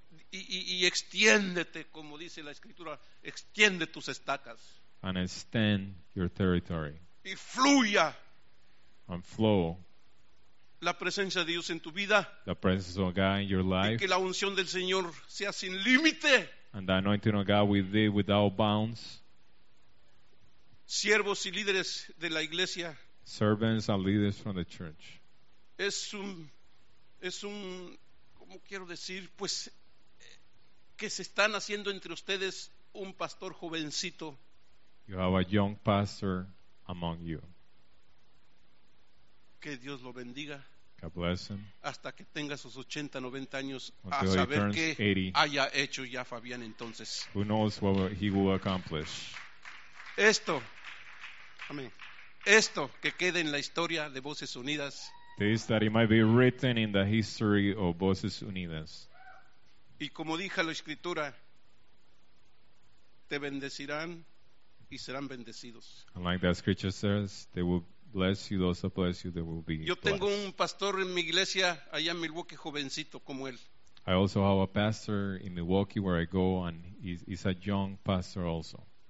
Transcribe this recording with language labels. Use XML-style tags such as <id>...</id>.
<es>Y extiéndete, como dice la escritura, extiende tus estacas.</es> <en>And extend your territory.</en> <es>Y fluya.</es> <en>And flow.</en> <es>La presencia de Dios en tu vida.</es> <en>The presence of God in your life.</en> <es>Y que la unción del Señor sea sin límite.</es> <en>And the anointing of God with thee without bounds.</en> <es>Siervos y líderes de la iglesia.</es> <en>Servants and leaders from the church.</en> <es>Es un, ¿cómo quiero decir? Pues, que se están haciendo entre ustedes un pastor jovencito.</es> <en>You have a young pastor among you.</en> <es>Que Dios lo bendiga.</es> <en>God bless him.</en> <es>Hasta que tenga sus 80, 90 años a saber qué haya hecho ya Fabián entonces.</es> <en>Who knows what he will accomplish.</en> <es>Esto, amén. Esto que quede en la historia de Voces Unidas.</es> <en>This that it might be written in the history of Voces Unidas.</en> <es>Y como dijo la escritura, te bendecirán y serán bendecidos.</es> <en>And like the scripture says, they will bless you, those that bless you, they will be</en> <es>yo tengo</es> <en>blessed.</en> <es>Un pastor en mi iglesia allá en Milwaukee jovencito como él.</es> <en>I also have a pastor in Milwaukee where I go and he's a young pastor also.</en>